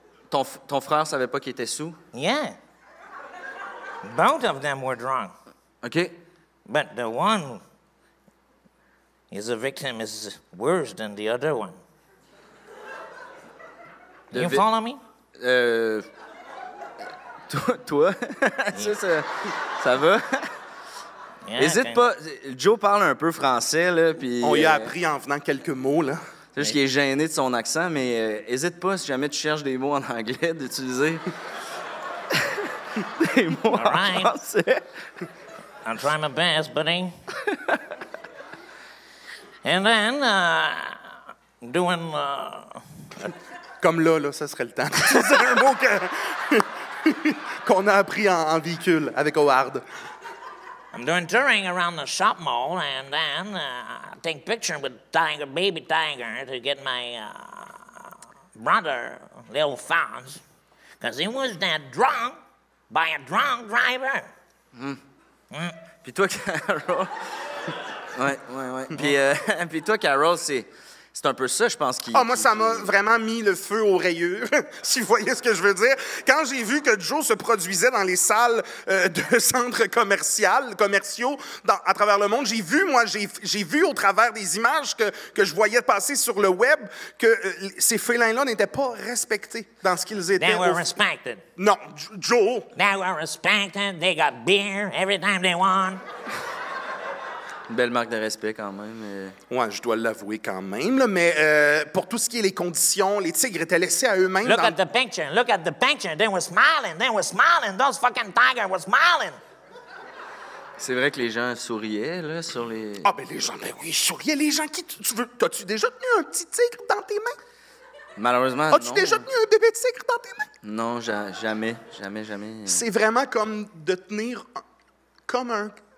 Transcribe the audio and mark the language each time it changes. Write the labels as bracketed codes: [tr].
[fr] Ton frère savait pas qu'il était sous? [en] Yeah. Both of them were drunk. OK. But the one is a victim is worse than the other one. You follow me? [fr] Toi? Yeah. ça va? N'hésite pas. Joe parle un peu français, là. Puis, on y a appris en venant quelques mots, là. C'est juste qu'il est gêné de son accent, mais hésite pas si jamais tu cherches des mots en anglais d'utiliser. des mots [en] All right. [fr] en français. [en] I'm trying my best, buddy. And then, doing. [fr] Comme là, ça serait le temps. C'est un mot qu'on a appris en véhicule avec Howard. [en] I'm doing touring around the shop mall, and then I take picture with Tiger, baby Tiger, to get my brother, little Fonz, because he was that drunk by a drunk driver. [fr] Puis toi, Carol. Ouais. Puis toi, Carol, c'est un peu ça, je pense qu'il. Ah, moi, ça m'a vraiment mis le feu aux rayures, si vous voyez ce que je veux dire. Quand j'ai vu que Joe se produisait dans les salles de centres commerciaux à travers le monde, j'ai vu au travers des images que je voyais passer sur le web que ces félins-là n'étaient pas respectés dans ce qu'ils étaient. [en] They were respected. [fr] Non, Joe. [en] They were respected. They got beer every time they won. [fr] Une belle marque de respect quand même. Ouais, je dois l'avouer quand même, là, mais pour tout ce qui est les conditions, les tigres étaient laissés à eux-mêmes. [en] Look at the picture, look at the picture, they were smiling, those fucking tigers were smiling. [fr] C'est vrai que les gens souriaient, là, sur les... Ah, ben les gens, ben oui, ils souriaient, les gens qui... T'as-tu déjà tenu un petit tigre dans tes mains? Malheureusement, As-tu déjà tenu un bébé tigre dans tes mains? Non, jamais. C'est vraiment comme de tenir comme un...